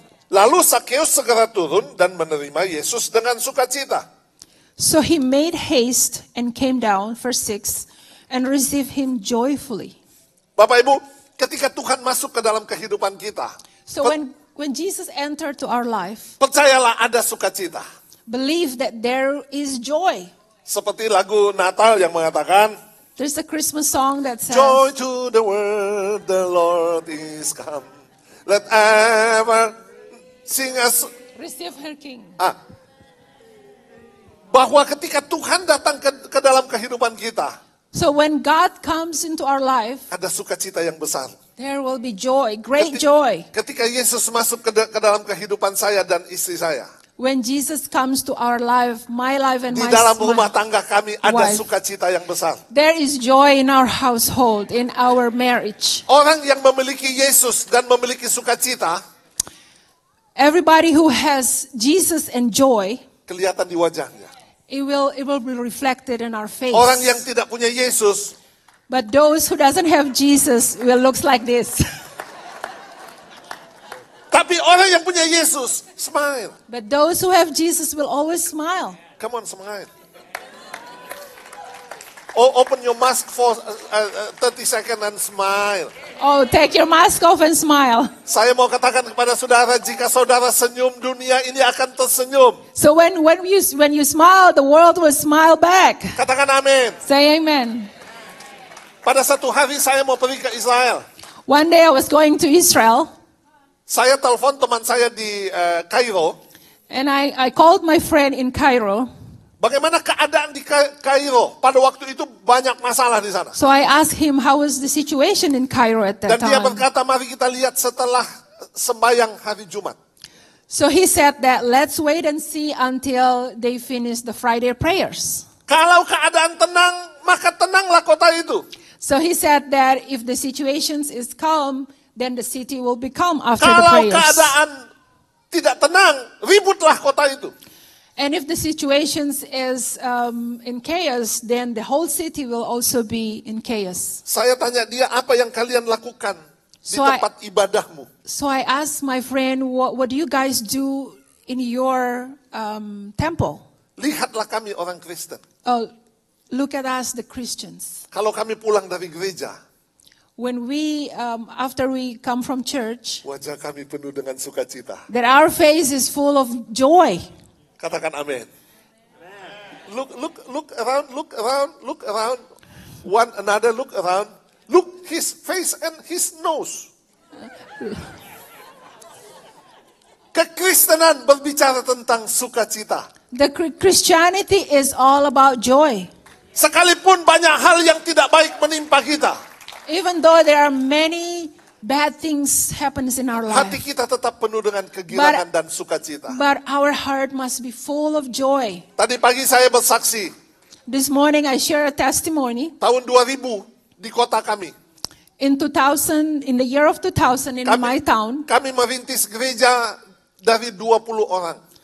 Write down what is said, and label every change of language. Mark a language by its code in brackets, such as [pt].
[id] Lalu Zacchaeus segera turun dan menerima Yesus dengan sukacita. [en] So he made haste and came down, verse 6, and received him joyfully. [id] Bapak Ibu, ketika Tuhan masuk ke dalam kehidupan kita. [en] So when Jesus entered to our life. [id] Percayalah ada sukacita. [en] Believe that there is joy. [id] Seperti lagu Natal yang mengatakan. [en] There's a Christmas song that says. Joy to the world, the Lord is come. Let ever sing us. Receive her King. Ah. [id] Bahwa ketika Tuhan datang ke dalam kehidupan kita. [en] So when God comes into our life. [id] Ada sukacita yang besar. Ketika Yesus masuk ke dalam kehidupan saya dan istri saya. [en] When Jesus comes to our life, my life and my wife. [id] Di dalam rumah tangga kami ada sukacita yang besar. [en] There is joy in our household, in our marriage. [id] Orang yang memiliki Yesus dan memiliki sukacita. [en] Everybody who has Jesus and joy, [id] kelihatan di wajahnya. [en] It will be reflected in our face. [id] Orang yang tidak punya Yesus, [en] but those who doesn't have Jesus will looks like this. [id] Tapi orang yang punya Yesus smile. [en] But those who have Jesus will always smile. Come on, smile. Oh, open your mask for 30 seconds and smile. Oh, take your mask off and smile. [id] Saya mau katakan kepada saudara, jika saudara senyum, dunia ini akan tersenyum. [en] So when you smile, the world will smile back. [id] Katakan amin. [en] Say amen. [id] Pada satu hari saya mau pergi ke Israel. [en] One day I was going to Israel. [id] Saya telepon teman saya di Kairo. [en] And I called my friend in Cairo. [id] Bagaimana keadaan di Kairo? Pada waktu itu banyak masalah di sana. [en] So I asked him how was the situation in Cairo at that time. [id] Dan dia berkata, mari kita lihat setelah sembahyang hari Jumat. [en] So he said that let's wait and see until they finish the Friday prayers. [id] Kalau keadaan tenang, maka tenanglah kota itu. [en] So he said that if the situation is calm, then the city will be calm after [id] kalau [en] the prayers. [id] Kalau keadaan tidak tenang, ributlah kota itu. [en] And if the situation is in chaos, then the whole city will also be in chaos. [id] Saya tanya dia, apa yang kalian lakukan so di tempat ibadahmu? [en] So I asked my friend, what do you guys do in your temple? [id] Lihatlah kami orang Kristen. [en] Oh, look at us, the Christians. [id] Kalau kami pulang dari gereja, [en] when we after we come from church, [id] wajah kami penuh dengan sukacita. [en] That our face is full of joy. [id] Katakan amin. [en] Look around. One another, look around. Look his face and his nose. [id] Kekristenan berbicara tentang sukacita. [en] The Christianity is all about joy. [id] Sekalipun banyak hal yang tidak baik menimpa kita. [en] Even though there are many bad things happens in our life. [id] Hati kita tetap penuh dengan kegirangan dan sukacita. [en] But our heart must be full of joy. [id] Tadi pagi saya bersaksi. [en] This morning I share a testimony. [id] Tahun 2000 di kota kami. [en] In the year of 2000 in my town. [id] Kami merintis gereja dari 20 orang.